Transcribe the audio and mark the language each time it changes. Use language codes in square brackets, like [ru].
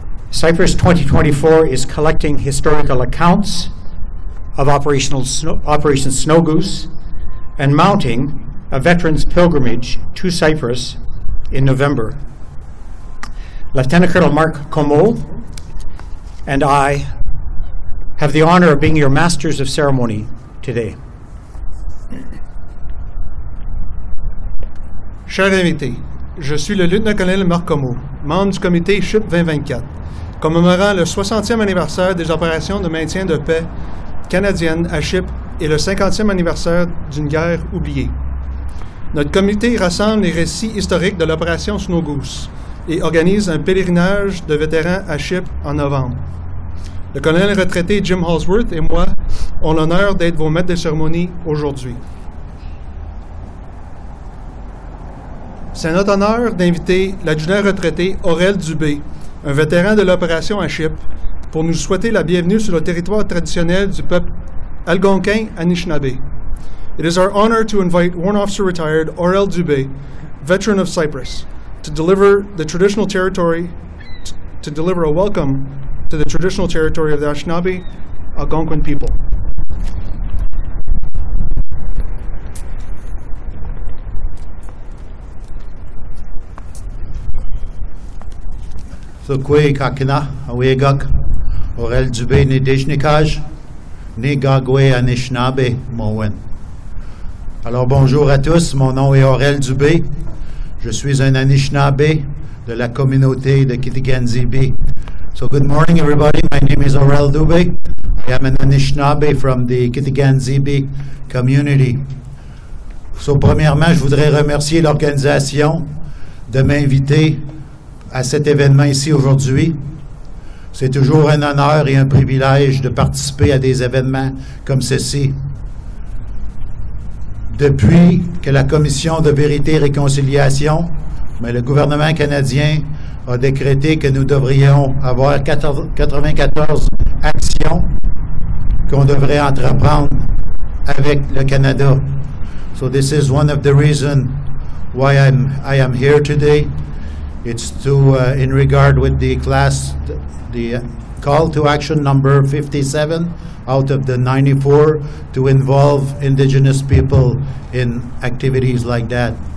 [en] Cyprus 2024 is collecting historical accounts of Operation Snow Goose and mounting a veterans pilgrimage to Cyprus in November. Lieutenant Colonel Mark Como and I have the honor of being your masters of ceremony today. [fr] Chers invités, je suis le lieutenant-colonel Marc Como, membre du comité Ship 2024, commémorant le 60e anniversaire des opérations de maintien de paix canadienne à Chypre et le 50e anniversaire d'une guerre oubliée. Notre comité rassemble les récits historiques de l'opération Snow Goose et organise un pèlerinage de vétérans à Chypre en novembre. Le colonel retraité Jim Holsworth et moi ont l'honneur d'être vos maîtres de cérémonie aujourd'hui. C'est notre honneur d'inviter l'adjudant retraité Aurel Dubé, un vétéran de l'opération à Chypre, pour nous souhaiter la bienvenue sur le territoire traditionnel du peuple algonquin Anishinaabe. [en] It is our honor to invite Warrant Officer Retired Aurel Dubé, veteran of Cyprus, to deliver the traditional territory, to deliver a welcome to the traditional territory of the Anishinaabe Algonquin people. [oj] So Kwee Kakina, Awegak, Aurel Dubé Nedejnikaj, Negagwe Anishinaabe Mowen. [fr] Alors bonjour à tous, mon nom est Aurel Dubé. Je suis un Anishinaabe de la communauté de Kitigansibi. [en] So good morning everybody, my name is Aurel Dubé. I am an Anishinaabe from the Kitigansibi community. [fr] So premièrement, je voudrais remercier l'organisation de m'inviter à cet événement ici aujourd'hui. C'est toujours un honneur et un privilège de participer à des événements comme ceci. Depuis que la Commission de vérité et réconciliation, mais le gouvernement canadien a décrété que nous devrions avoir 94 actions qu'on devrait entreprendre avec le Canada. [en] So this is one of the reasons why I am here today. It's to in regard with the class, the call to action number 57 out of the 94 to involve Indigenous people in activities like that.